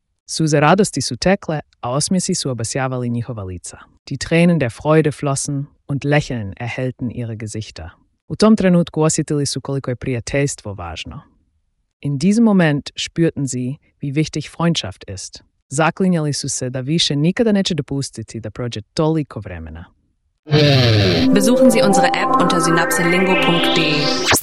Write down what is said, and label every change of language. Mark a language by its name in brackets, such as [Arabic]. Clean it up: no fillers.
[Croatian] Suze radosti su tekle, a osmisi su obasjavali njihova lica. [German] Die Tränen der Freude flossen und Lächeln erhellten ihre Gesichter. [Croatian] U tom trenutku osjetili su koliko je prijateljstvo važno. [German] In diesem Moment spürten sie, wie wichtig Freundschaft ist. [Croatian] Zaklinjali su se da više nikada neće dopustiti da prođe toliko vremena. [German] Besuchen Sie unsere App unter synapselingo.de.